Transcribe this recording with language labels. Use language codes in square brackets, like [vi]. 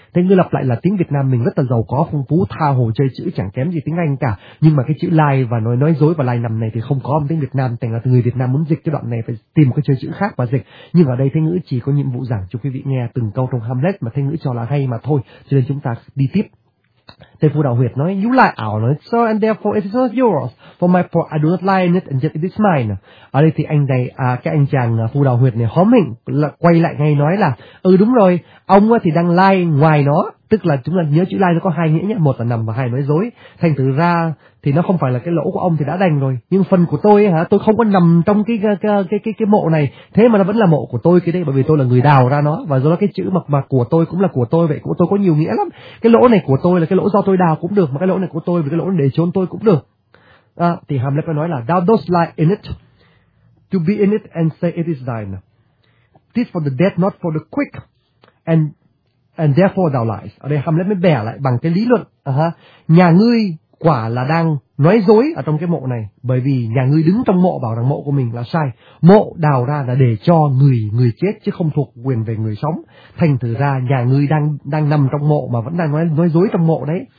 [vi] Thế ngữ lặp lại là tiếng Việt Nam mình rất là giàu có, phong phú, tha hồ chơi chữ chẳng kém gì tiếng Anh cả. Nhưng mà cái chữ lie và nói dối và lie nằm này thì không có tiếng Việt Nam. Thành là người Việt Nam muốn dịch cái đoạn này phải tìm một cái chơi chữ khác và dịch. Nhưng ở đây thế ngữ chỉ có nhiệm vụ giảng cho quý vị nghe từng câu trong Hamlet mà thế ngữ cho là hay mà thôi. Cho nên chúng ta đi tiếp. Thầy Phù Đạo Huyệt nói, [en] you lie [vi] ảo, nói, [en] so and therefore it is not yours, for my part I do not lie in it, and yet it is mine. [vi] Ở đây thì anh này, cái anh chàng Phù Đạo Huyệt này hóm hình, quay lại ngay nói là, ừ đúng rồi, ông thì đang lie ngoài nó, tức là chúng ta nhớ chữ lie nó có hai nghĩa nhé, một là nằm và hai nói dối, thành thử ra thì nó không phải là cái lỗ của ông thì đã đành rồi, nhưng phần của tôi hả, tôi không có nằm trong cái mộ này, thế mà nó vẫn là mộ của tôi cái đấy, bởi vì tôi là người đào ra nó, và do đó cái chữ mà của tôi cũng là của tôi, vậy của tôi có nhiều nghĩa lắm. Cái lỗ này của tôi là cái lỗ do tôi đào cũng được, mà cái lỗ này của tôi vì cái lỗ để trốn tôi cũng được. Thì Hamlet nói là [en] thou dost lie in it to be in it and say it is thine, this for the dead not for the quick, and therefore thou lies. [vi] Ở đây Hamlet mới bẻ lại bằng cái lý luận, nhà ngươi quả là đang nói dối ở trong cái mộ này, bởi vì nhà ngươi đứng trong mộ bảo rằng mộ của mình là sai, mộ đào ra là để cho người chết chứ không thuộc quyền về người sống, thành thử ra nhà ngươi đang nằm trong mộ mà vẫn đang nói dối trong mộ đấy.